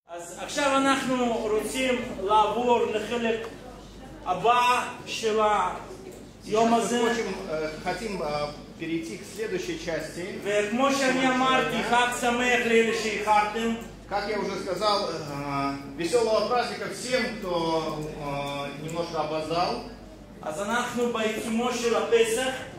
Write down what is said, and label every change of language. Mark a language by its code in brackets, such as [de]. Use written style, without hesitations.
[he] אז עכשיו אנחנו רוצים לעבור לחלק הבא של היום הזה. אנחנו רוצים, [ru] хотим перейти к следующей части. [he] וכמו שאני אמרתי, חג שמח לאלה שאיחרתם. [ru] Как я уже сказал, веселого праздника всем, кто немножко опоздал. [he] אז אנחנו בעיצומו של הפסח.